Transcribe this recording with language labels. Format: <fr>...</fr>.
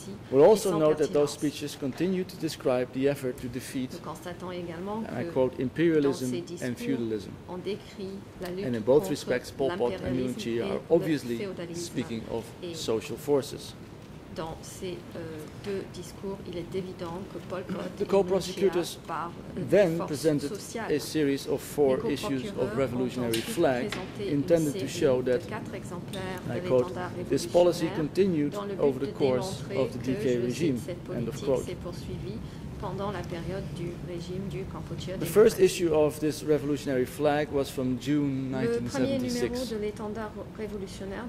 <en>We'll also note that those speeches continue to describe the effort to defeat, and I quote, imperialism and feudalism. And in both respects, Pol Pot and Nguyen Chia are obviously speaking of social forces.</en> <fr>Dans ces deux discours, il est évident que Pol Pot,</fr> <en>the co-prosecutors then presented a series of four issues of revolutionary flag intended to show that, I quote, this policy continued over the course of the DK regime, end of quote. The first issue of this revolutionary flag was from June 1976.</en>